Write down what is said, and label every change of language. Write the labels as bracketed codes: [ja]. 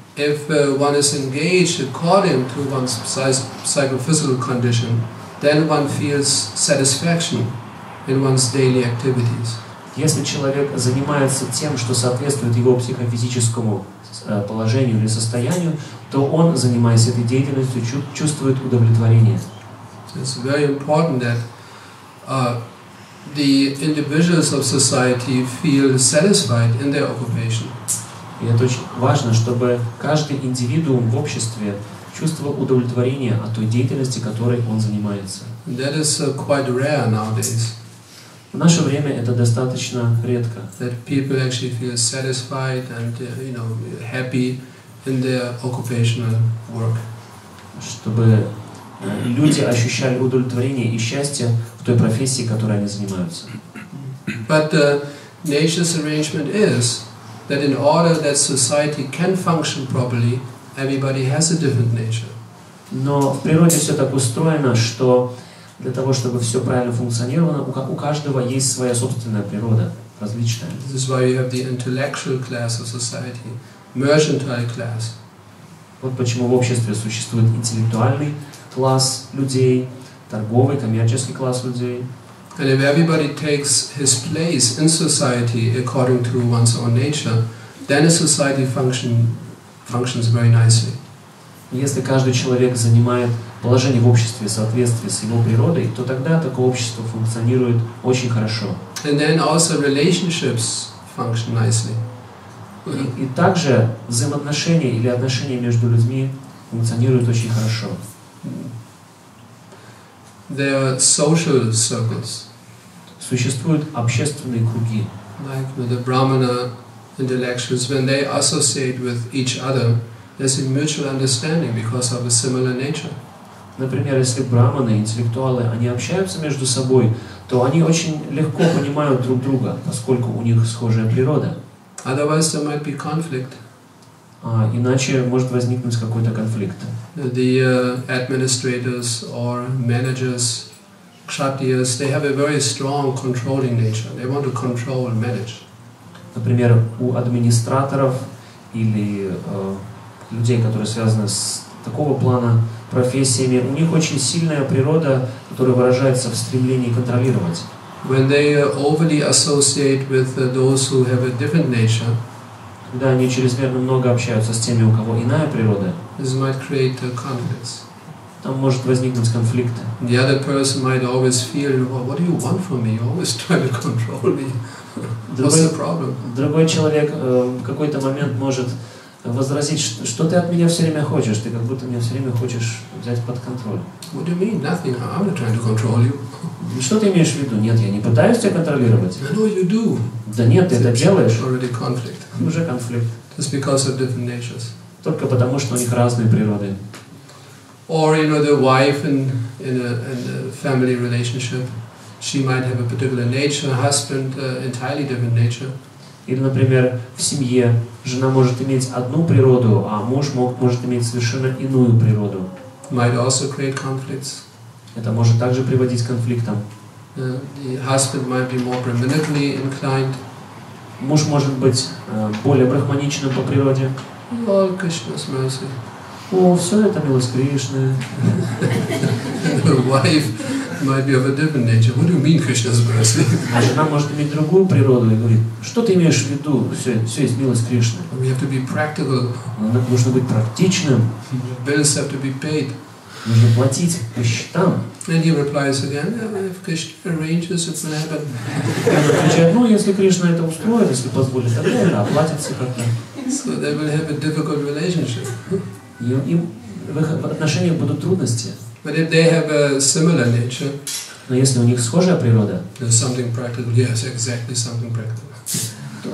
[en] If one is engaged according to one's psychophysical condition, then one feels satisfaction in one's daily activities. [ru] Если человек занимается тем, что соответствует его психофизическому положению или состоянию, то он, занимаясь этой деятельностью, чувствует удовлетворение. [en] So it's very important that the individuals of society feel satisfied in their occupation. [ru] И это очень важно, чтобы каждый индивидуум в обществе чувство удовлетворения от той деятельности, которой он занимается. [en] That is quite rare nowadays. [ru] В наше время это достаточно редко. [en] That people actually feel satisfied and, you know, happy in their occupational work. [ru] Чтобы люди ощущали удовлетворение и счастье в той профессии, которой они занимаются. [en] But the nation's arrangement is that in order that society can function properly, everybody has a different nature. [ru] Но в природе все так устроено, что для того, чтобы все правильно функционировало, у каждого есть своя собственная природа, различная. [en] This is why you have the intellectual class of society, mercantile class. [ru] Вот почему в обществе существует интеллектуальный класс людей, торговый, коммерческий класс людей. [en] And if everybody takes his place in society according to one's own nature, then a society functions very nicely. [ru] Если каждый человек занимает положение в обществе в соответствии с его природой, то тогда такое общество функционирует очень хорошо. [en] And then also relationships function nicely. [ru] И также взаимоотношения или отношения между людьми функционируют очень хорошо. [en] There are social circles. [ru] Существуют общественные круги. [en] Like the Brahmana intellectuals, when they associate with each other, there's a mutual understanding because of a similar nature. [ru] Например, если брахманы, интеллектуалы, они общаются между собой, то они очень легко понимают друг друга, поскольку у них схожая природа. [en] Otherwise, there might be conflict. [ru] Иначе может возникнуть какой-то конфликт. [en] The administrators or managers, kshatriyas, they have a very strong controlling nature. They want to control and manage. [ru] Например, у администраторов или людей, которые связаны с такого плана профессиями, у них очень сильная природа, которая выражается в стремлении контролировать. [en] When they overly associate with those who have a different nature, [ru] когда они чрезмерно много общаются с теми, у кого иная природа, [en] this might create conflicts. [ru] Там может возникнуть конфликт. [en] The other person might always feel, well, what do you want from me? You always try to control me. What's the problem? [ru] Другой человек в какой-то момент может возразить, что ты от меня все время хочешь? Ты как будто меня все время хочешь взять под контроль. [en] What do you mean? Nothing. I'm not trying to control you. [ru] Что ты имеешь в виду? Нет, я не пытаюсь тебя контролировать. [en] No, you do. [ru] Да нет, ты это делаешь. [en] Already conflict. [ru] Уже конфликт. [en] Just because of different natures. [ru] Только потому, что у них разные природы. [en] Or, you know, the wife in a family relationship, she might have a particular nature, husband entirely different nature. [ru] Или, например, в семье жена может иметь одну природу, а муж может иметь совершенно иную природу. [en] Might also create conflicts. [ru] Это может также приводить к конфликтам. [en] The husband might be more brahmanically inclined. [ru] Муж может быть более брахманичным по природе. [en] Lord Krishna's mercy. [ru] О, все это милость Кришны. [en] The wife might be of a different nature. What do you mean, Krishna's mercy? [ru] А жена может иметь другую природу и говорит, что ты имеешь в виду? Все есть милость Кришны. [en] We have to be practical. [ru] Нужно быть практичным. [en] Bills have to be paid. [ru] Нужно платить по счетам. [en] And he replies again, if Krishna arranges, it will happen. [ru] Отвечает, ну, если Кришна это устроит, если позволит, тогда она оплатится как-то. [en] So they will have a difficult relationship. [ru] Им в их отношениях будут трудности. [en] But if they have a similar nature, [ru] но если у них схожая природа, [en] there's something practical, yes, exactly something practical.